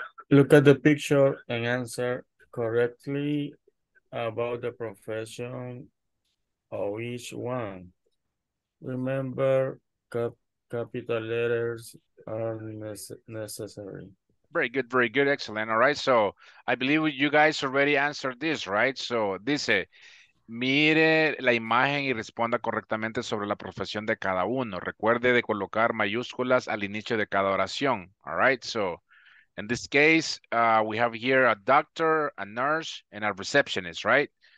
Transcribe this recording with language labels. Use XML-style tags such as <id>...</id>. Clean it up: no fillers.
<en>Look at the picture and answer correctly about the profession of each one. Remember, capital letters are necessary. Very good, very good, excellent. All right, so I believe you guys already answered this, right?</en> <es>So dice, mire la imagen y responda correctamente sobre la profesión de cada uno. Recuerde de colocar mayúsculas al inicio de cada oración.</es> <en>All right, so in this case, we have here a doctor, a nurse, and a receptionist, right?</en>